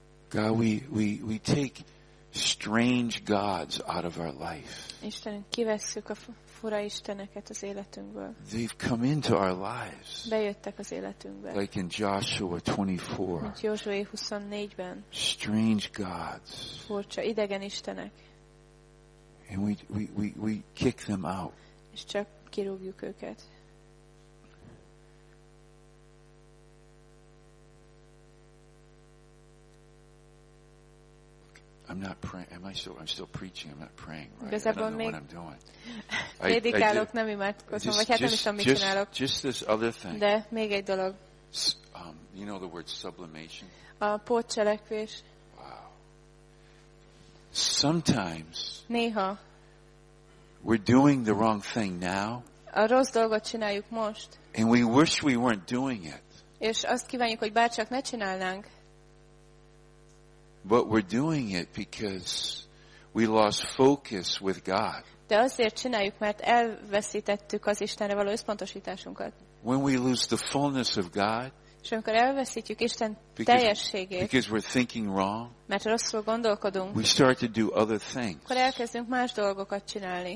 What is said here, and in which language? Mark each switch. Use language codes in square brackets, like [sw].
[en] God, we take strange gods out of our life. [hu] Istenünk, kivesszük a fura isteneket az életünkből. [en] They've come into our lives. [hu] Bejöttek az életünkbe. [en] Like in Joshua 24. [hu] Mint Józsué 24-ben. [en] Strange gods. [hu] Furcsa idegen istenek. [en] And we kick them out. [hu] És csak kirúgjuk őket. [en] I'm not praying. Am I still? I'm still preaching. I'm not praying. Right? I don't know what I'm doing. [hu] Prédikálok, nem imádkozom, vagy hát nem is tudom, mit csinálok. [en] Just this other thing. [hu] De még egy dolog. [en] You know the word sublimation? [hu] A pótcselekvés. [en] Wow. Sometimes. [hu] Néha. [en] We're doing the wrong thing now. [hu] A rossz dolgot csináljuk most. [en] And we wish we weren't doing it. [hu] És azt kívánjuk, hogy bárcsak ne csinálnánk. [en] But we're doing it because we lost focus with God. [hu] De azért csináljuk, mert elveszítettük az Istenre való összpontosításunkat. [en] When we lose the fullness of God, [hu] És amikor elveszítjük Isten teljességét, [en] because we're thinking wrong, [hu] mert rosszul gondolkodunk, [en] we start to do other things, [hu] akkor elkezdünk más dolgokat csinálni,